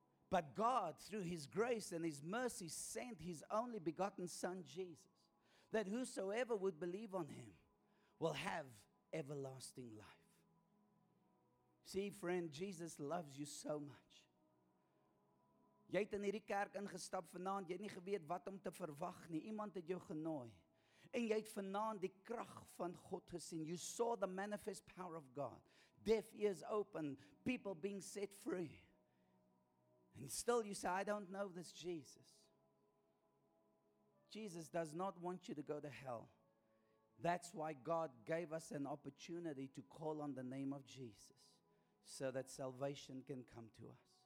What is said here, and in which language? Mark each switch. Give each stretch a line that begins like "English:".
English: But God, through his grace and his mercy, sent his only begotten Son, Jesus, that whosoever would believe on him will have everlasting life. See, friend, Jesus loves you so much.
Afrikaans: Jy het in hierdie kerk ingestap vanaand, jy het nie geweet wat om te verwag nie. Iemand het jou genooi. En jy het vanaand die krag van God gesien.
English: You saw the manifest power of God. Deaf ears open, people being set free. And still you say, I don't know this Jesus. Jesus does not want you to go to hell. That's why God gave us an opportunity to call on the name of Jesus so that salvation can come to us.